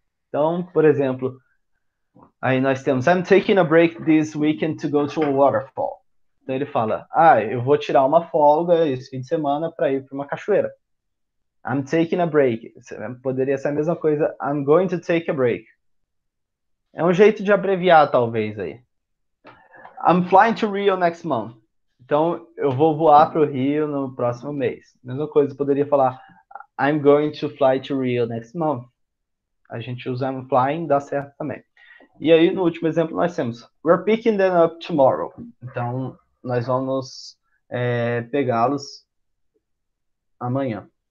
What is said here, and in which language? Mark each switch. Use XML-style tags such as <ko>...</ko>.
<pt>Então, por exemplo, aí nós temos:</pt> <en>I'm taking a break this weekend to go to a waterfall.</en> <pt>Então ele fala: Ah, eu vou tirar uma folga esse fim de semana para ir para uma cachoeira.</pt> <en>I'm taking a break.</en> <pt>Poderia ser a mesma coisa:</pt> <en>I'm going to take a break.</en> <pt>É um jeito de abreviar, talvez aí.</pt> <en>I'm flying to Rio next month.</en> <pt>Então, eu vou voar para o Rio no próximo mês. Mesma coisa, poderia falar:</pt> <en>I'm going to fly to Rio next month.</en> <pt>A gente usa</pt> <en>I'm flying,</en> <pt>dá certo também. E aí, no último exemplo, nós temos:</pt> <en>We're picking them up tomorrow.</en> <pt>Então, nós vamos pegá-los amanhã.</pt>